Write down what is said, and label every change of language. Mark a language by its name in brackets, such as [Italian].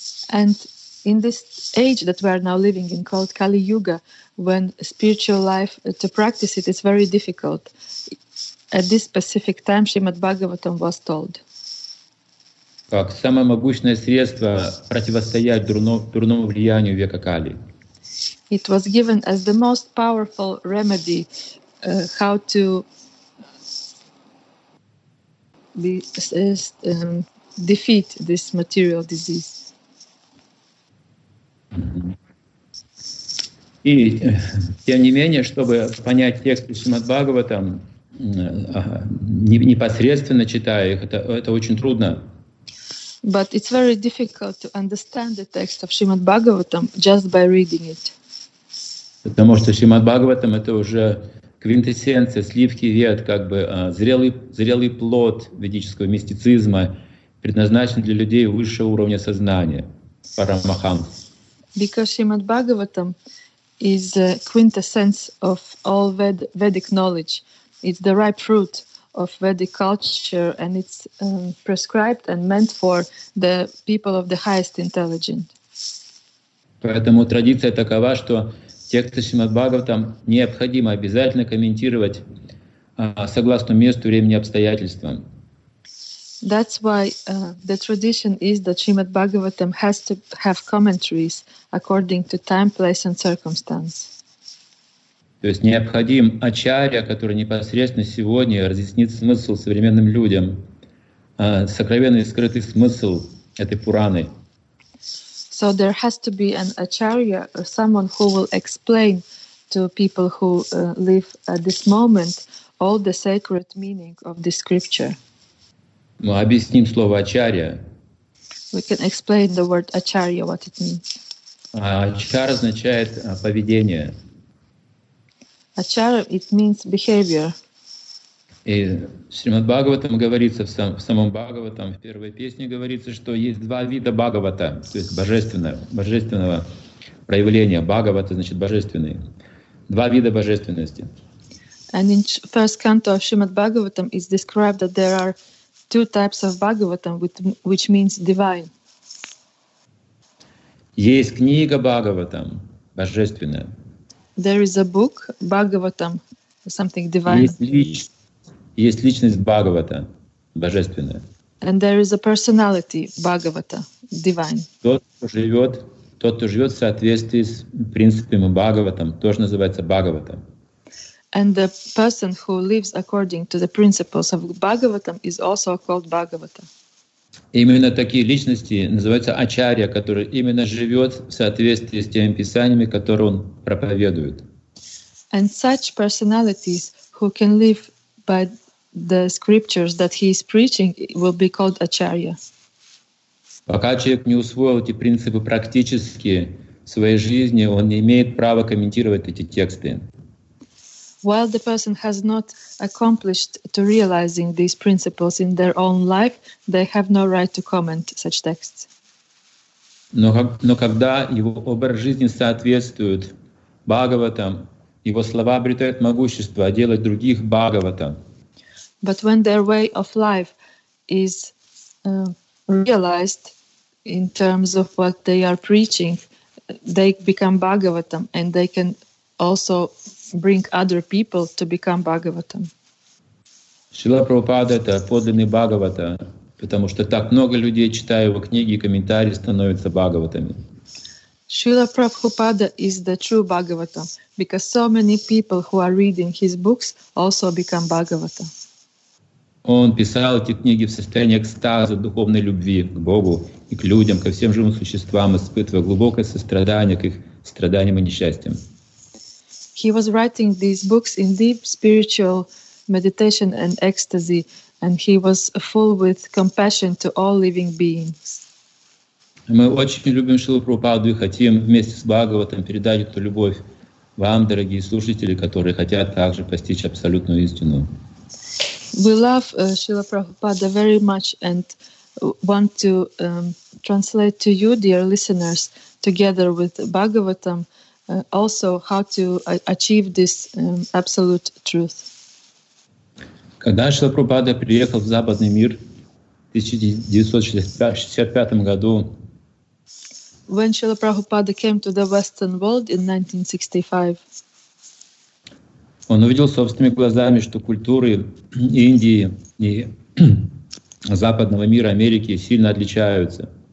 [English] And in this age that we are now living in, called Kali Yuga, when spiritual life, to practice it is very difficult, at this specific time Srimad Bhagavatam was told. [Russian] Как самое могущее средство противостоять дурному влиянию века Кали. [English] It was given as the most powerful remedy, how to defeat this material disease. [Russian] И тем не менее, чтобы понять текст Шримад Бхагаватам, непосредственно читая их, это очень трудно. [English] But it's very difficult to understand the text of Srimad Bhagavatam just by reading it. [Russian] Потому что Шримад Бхагаватам это уже квинтэссенция, сливки вет, как бы зрелый плод ведического мистицизма, предназначен для людей высшего уровня сознания, парамахамс. [English] Because Srimad Bhagavatam is the quintessence of all Vedic knowledge. It's the ripe fruit of Vedic culture, and it's prescribed and meant for the people of the highest intelligence. [Russian] Поэтому традиция такова, что тексты Шримад-Бхагаватам необходимо обязательно комментировать согласно месту, времени, обстоятельствам. [English] That's why the tradition is that Shrimad-Bhagavatam has to have commentaries according to time, place and circumstance. [Russian] То есть необходим ачарья, который непосредственно сегодня разъяснит смысл современным людям, сокровенный и скрытый смысл этой Пураны. [English] So there has to be an acharya or someone who will explain to people who live at this moment all the sacred meaning of this scripture. [Russian] Мы объясним слово ачарья. [English] We can explain the word acharya, what it means. [Russian] Ачар означает поведение. [English] Ачара, it means behavior. [Russian] И в Шримад Бхагаватам говорится, в самом Бхагаватам, в первой песне говорится, что есть два вида Бхагавата, то есть божественного проявления. Бхагавата значит божественный. Два вида божественности. [English] And in first canto of Shrimad Bhagavatam is described that there are two types of Bhagavatam, which means divine. [Russian] Есть книга Бхагаватам, божественная. [English] There is a book, Bhagavatam, something divine. [Russian] Есть личность Бхагавата, божественная. [English] And there is a personality, Bhagavata, divine. [Russian] Тот, кто живет в соответствии с принципами Бхагаватам, тоже называется Бхагавата. [English] And the person who lives according to the principles of Bhagavatam is also called Bhagavata. [Russian] Именно такие личности называются ачарья, который именно живет в соответствии с теми писаниями, которые он проповедует. [English] And such personalities who can live by the scriptures that he is preaching will be called acharya. [Russian] Пока человек не усвоил эти принципы практически в своей жизни, он не имеет права комментировать эти тексты. [English] While the person has not accomplished to realizing these principles in their own life, they have no right to comment such texts. [Russian] Но когда его образ жизни соответствует Бхагаватам, его слова обретают могущество делать других Бхагаватам. [English] But when their way of life is realized in terms of what they are preaching, they become Bhagavatam and they can also bring other people to become Bhagavatam. [Russian] Шрила Прабхупада — это подлинный Бхагавата, потому что так много людей, читая его книги и комментарии, становятся Бхагаватами. [English] Шрила Прабхупада is the true Bhagavatam, because so many people who are reading his books also become Bhagavata. [Russian] Он писал эти книги в состоянии экстаза, духовной любви к Богу и к людям, ко всем живым существам, испытывая глубокое сострадание к их страданиям и несчастьям. [English] He was writing these books in deep spiritual meditation and ecstasy, and he was full with compassion to all living beings. [Russian] Мы очень любим Шрилу Прабхупаду и хотим вместе с Бхагаватом передать эту любовь вам, дорогие слушатели, которые хотят также постичь абсолютную истину. [English] We love Шрила Прабхупада very much and want to translate to you, dear listeners, together with Bhagavatam, also how to achieve this absolute truth. [Russian] Когда Шрила Прабхупада приехал в Западный мир в 1965 году, [English] when Шрила Прабхупада came to the Western world in 1965, [Russian] он увидел собственными глазами, что культуры Индии и Западного мира, Америки, сильно отличаются.